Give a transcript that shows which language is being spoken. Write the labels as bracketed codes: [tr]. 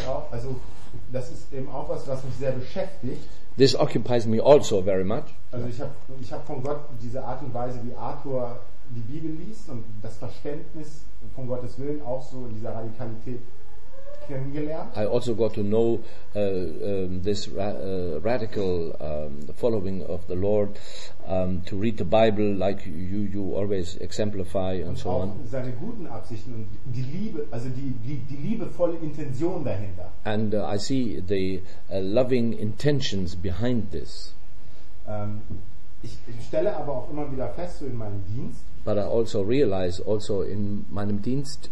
[de] Also, das ist eben auch was, was mich sehr beschäftigt. [en] This occupies me also very much. [de] Also, ich habe von Gott diese Art und Weise, wie Arthur die Bibel liest und das Verständnis von Gottes Willen auch so in dieser Radikalität. [en] I also got to know this radical following of the Lord, to read the Bible like you always exemplify and so on. [de] Seine guten Absichten und die Liebe, also die liebevolle Intention dahinter. [en] And I see the loving intentions behind this. [de] Ich stelle aber auch immer wieder fest, so in meinem Dienst. [en] But I also realize also [de] in meinem Dienst.